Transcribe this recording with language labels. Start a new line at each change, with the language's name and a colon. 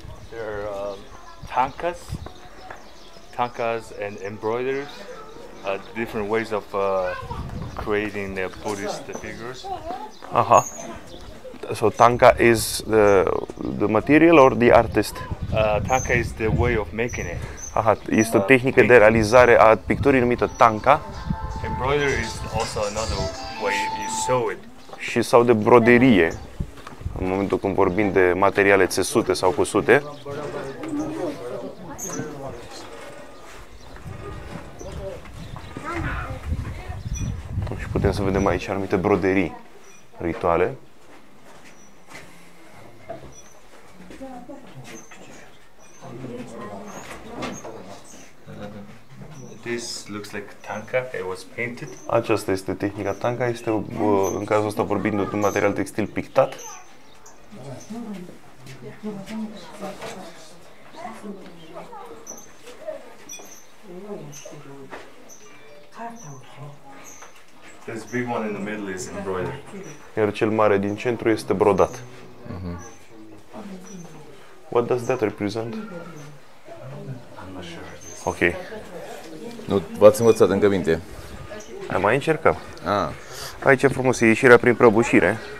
English: There are tankas. Tankas and embroiderers are different ways of creating the Buddhist figures. Aha. So tanka is the material or the artist? Tanka is the way of making it.
Romanian: Aha, este o tehnică de realizare a picturii numită tanka.
English: Embroidery is also another way you sew it.
Romanian: Și sau de broderie. În momentul când vorbim de materiale țesute sau cusute. Putem să vedem aici anumite broderii rituale.
English: This looks like tanka. It was painted.
Romanian: Aceasta este tehnica tanka. Este, în cazul ăsta vorbind, de un material textil pictat.
English: This big one in the middle is embroidered.
Romanian: Iar cel mare din centru este brodat.
English: What does that represent? I'm not sure. Ok.
Romanian: Nu v-ați învățat încă minte? Am mai încercat. Ah. Hai, ce frumos, e ieșirea prin prăbușire.